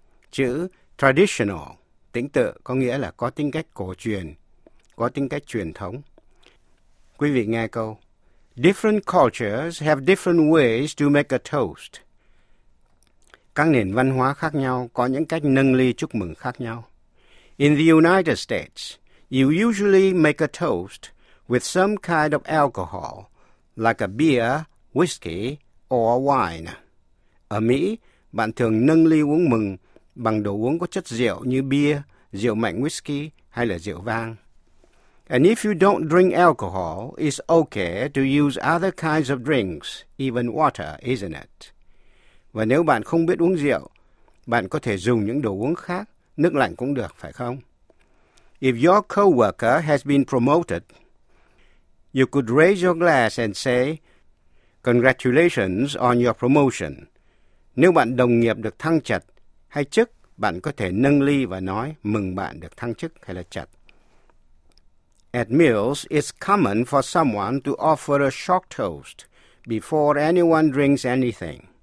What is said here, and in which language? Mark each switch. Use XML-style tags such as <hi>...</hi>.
<vi>Chữ traditional, tính tự, có nghĩa là có tính cách cổ truyền, có tính cách truyền thống. Quý vị nghe câu.</vi> <en>Different cultures have different ways to make a toast.</en> <vi>Các nền văn hóa khác nhau có những cách nâng ly chúc mừng khác nhau.</vi> <en>In the United States, you usually make a toast with some kind of alcohol, like a beer, whiskey, or wine.</en> <vi>Ở Mỹ, bạn thường nâng ly uống mừng bằng đồ uống có chất rượu như bia, rượu mạnh whiskey hay là rượu vang.</vi> <en>And if you don't drink alcohol, it's okay to use other kinds of drinks, even water, isn't it?</en> <vi>Và nếu bạn không biết uống rượu, bạn có thể dùng những đồ uống khác, nước lạnh cũng được, phải không?</vi> <en>If your coworker has been promoted, you could raise your glass and say, "Congratulations on your promotion."</en> <vi>Nếu bạn đồng nghiệp được thăng chật hay chức, bạn có thể nâng ly và nói mừng bạn được thăng chức hay là chật.</vi> <en>At meals, it's common for someone to offer a short toast before anyone drinks anything.</en>